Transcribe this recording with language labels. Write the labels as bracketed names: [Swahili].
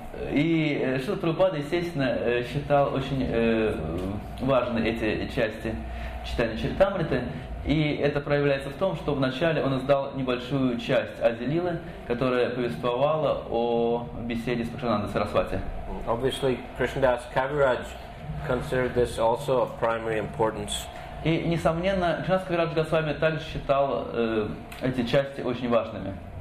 [Russian] И Шрила Прабхупада, естественно, считал очень важны эти части Чайтанья Чаритамриты. И это проявляется в том, что вначале он издал небольшую часть Адилилы, которая повествовала о беседе с Пакшананда Сарасвати. [English] Obviously, Krishnadas Kaviraj considered this also of primary importance. [Russian] И, несомненно, Кришнадас Кавирадж Госвами также считал эти части очень важными.